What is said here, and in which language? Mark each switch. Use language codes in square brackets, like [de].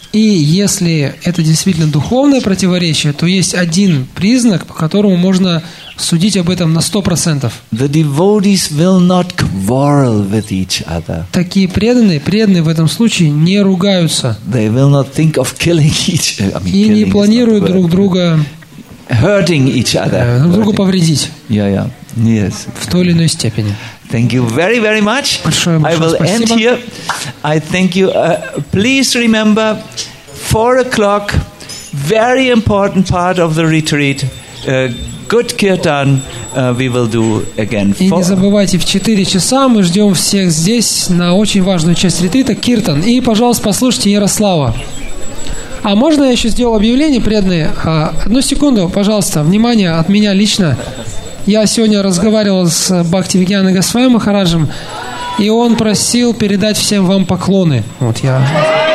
[ru] И если это действительно духовное противоречие, то есть один признак, по которому можно судить об этом на 100%. [en] The devotees will not quarrel with each other. [ru] Такие преданные в этом случае не ругаются. [en] They will not think of killing each other. [ru] И не планируют друг друга [en] hurting each other. [ru] Друг друга повредить. [en] Yeah. Yes. [ru] В той или иной степени. [en] Thank you very, very much. [ru] Большое, большое [en] I will [ru] спасибо. [en] End here. I thank you. Please remember, 4 o'clock, very important part of the retreat. Good kirtan we will do again. [ru] И не забывайте, в 4 часа мы ждем всех здесь на очень важную часть ретрита, киртан. И, пожалуйста, послушайте Ярослава. А можно я еще сделал объявление, преданные? Одну секунду, пожалуйста, внимание от меня лично. Я сегодня разговаривал с Бхактивигьяной Госвами Махараджем, и он просил передать всем вам поклоны. Вот я...